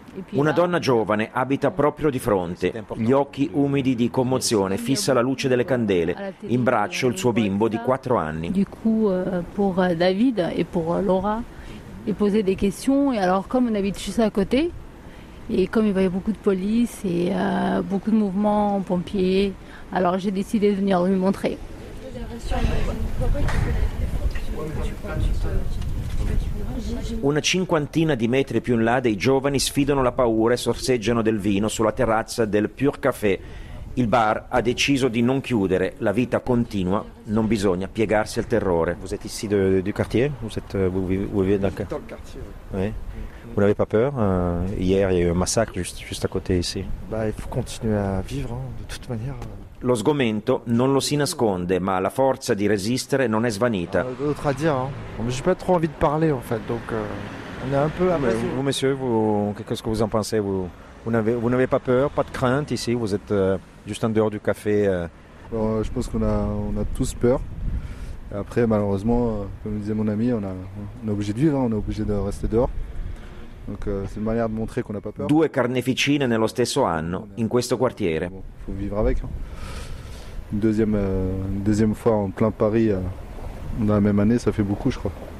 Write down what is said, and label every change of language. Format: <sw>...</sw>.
<it>Una donna giovane abita proprio di fronte, gli occhi umidi di commozione, fissa la luce delle candele, in braccio il suo bimbo di 4 anni.</it> <fr>Du coup pour David et pour Laura, il posait des questions et alors comme on habite juste à côté et comme il y avait beaucoup de police et beaucoup de mouvements pompiers, alors j'ai décidé de venir lui montrer.</fr> <it>Una cinquantina di metri più in là dei giovani sfidano la paura e sorseggiano del vino sulla terrazza del Pure Café. Il bar ha deciso di non chiudere, la vita continua, non bisogna piegarsi al terrore.</it> <fr>Vous êtes ici du quartier? Vous vivez dans le quartier? Oui. Vous n'avez pas peur? Hier il y a eu un massacre juste à côté ici. Bah, il faut continuer à vivre hein, de toute manière.</fr> <it>Lo sgomento non lo si nasconde, ma la forza di resistere non è svanita.</it> <fr>D'autre à dire, hein. J'ai pas trop envie de parler en fait, donc on est un peu abattu. Vous, monsieur, qu'est-ce que vous en pensez? Vous n'avez pas peur, pas de crainte ici? Vous êtes juste en dehors du café. Je pense qu'on a tous peur. Après, malheureusement, comme disait mon ami, on est obligé de vivre, hein, on est obligé de rester dehors. Donc, c'est une manière de montrer qu'on n'a pas peur.</fr> <it>Due carneficine nello stesso anno, in questo quartiere.</it> <fr>Bon, faut vivre avec. Deuxième fois en plein Paris, dans la même année, ça fait beaucoup, je crois.</fr>